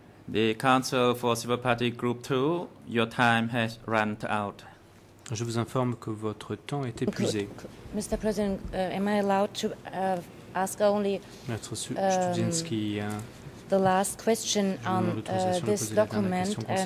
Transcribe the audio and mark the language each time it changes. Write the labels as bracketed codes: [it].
[en] The Council for Civil Party Group 2, your time has run out. [fr] Je vous informe que votre temps est épuisé. [en] Mr. President, am I allowed to ask only the last question on this document